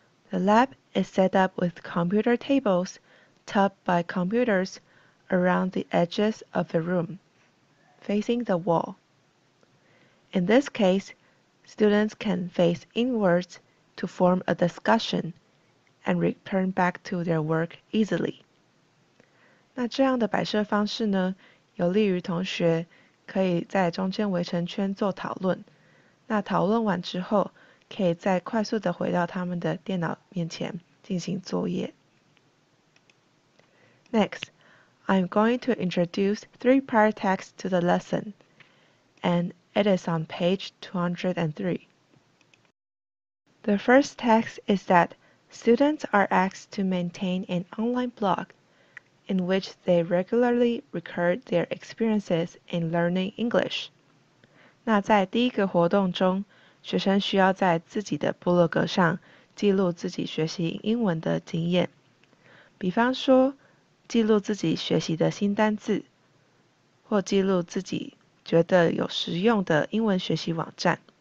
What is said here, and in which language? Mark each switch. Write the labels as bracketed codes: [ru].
[en] The lab is set up with computer tables topped by computers around the edges of the room, facing the wall. In this case, students can face inwards to form a discussion and return back to their work easily. [zh] 那这样的摆设方式呢，有利于同学可以在中间围成圈做讨论。那讨论完之后，可以再快速地回到他们的电脑面前进行作业。 [en] Next, I'm going to introduce three prior texts to the lesson, and it is on page 203. The first text is that students are asked to maintain an online blog in which they regularly record their experiences in learning English. [zh] 那在第一个活动中，学生需要在自己的部落格上记录自己学习英文的经验。比方说，记录自己学习的新单字，或记录自己觉得有实用的英文学习网站。